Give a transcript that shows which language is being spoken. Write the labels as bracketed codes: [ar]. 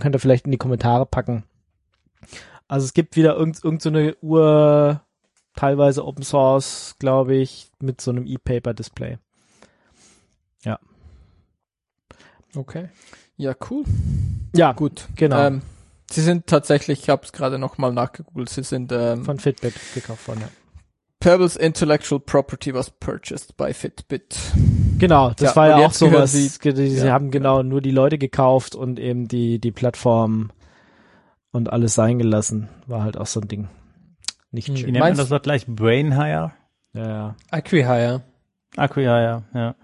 [de] Könnt ihr vielleicht in die Kommentare packen. Also es gibt wieder irgendeine Uhr, teilweise Open-Source, glaube ich, mit so einem E-Paper-Display. Ja. Okay. Ja, cool. Ja, gut, genau. Sie sind tatsächlich, ich habe es gerade nochmal nachgegoogelt, sie sind von Fitbit gekauft worden, ja. [en] Pebbles Intellectual Property was purchased by Fitbit. [de] Genau, das ja, war ja auch sowas. Sie haben genau nur die Leute gekauft und eben die Plattform und alles sein gelassen. War halt auch so ein Ding. Nicht schön. Nennt man das dort gleich Brain Hire? Ja, ja. Acqui Hire, ja.